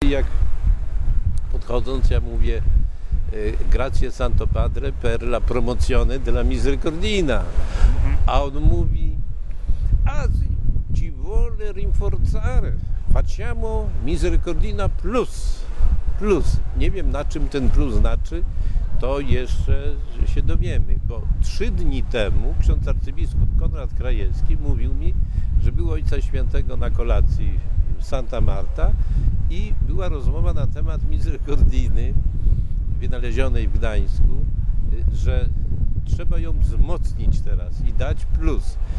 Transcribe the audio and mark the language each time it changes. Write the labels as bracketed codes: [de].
[pl] jak podchodząc, ja mówię [it] grazie Santo Padre per la promozione della misericordia. [pl] A on mówi, [it] a ci vuole rinforzare, facciamo misericordia plus. [pl] Plus. Nie wiem, na czym ten plus znaczy, to jeszcze się dowiemy, bo 3 dni temu ksiądz arcybiskup Konrad Krajewski mówił mi, że był Ojca Świętego na kolacji w Santa Marta i była rozmowa na temat misericordiny wynalezionej w Gdańsku, że trzeba ją wzmocnić teraz i dać plus.